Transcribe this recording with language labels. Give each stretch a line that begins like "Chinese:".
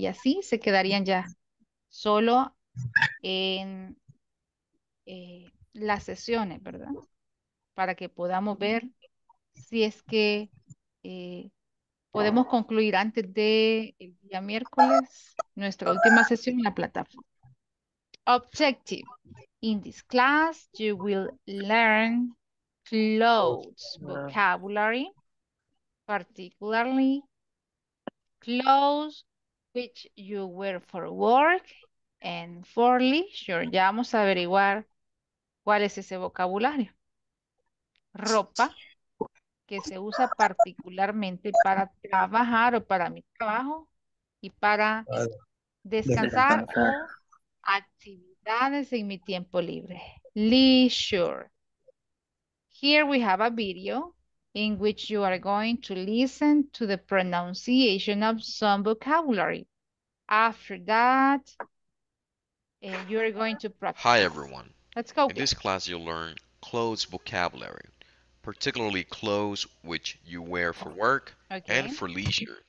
Spanish: Y así se quedarían ya solo en las sesiones, ¿verdad? Para que podamos ver si es que podemos concluir antes del día miércoles nuestra última sesión en la plataforma.
English: Objective. In this class, you will learn clothes vocabulary, particularly clothes which you wear for work and for leisure.
Spanish: Ya vamos a averiguar cuál es ese vocabulario. Ropa que se usa particularmente para trabajar o para mi trabajo y para descansar o actividades en mi tiempo libre.
English: Leisure. Here we have a video in which you are going to listen to the pronunciation of some vocabulary. After that, you are going to practice. Hi, everyone. Let's go. In this class, you'll learn clothes vocabulary, particularly clothes which you wear for work and for leisure.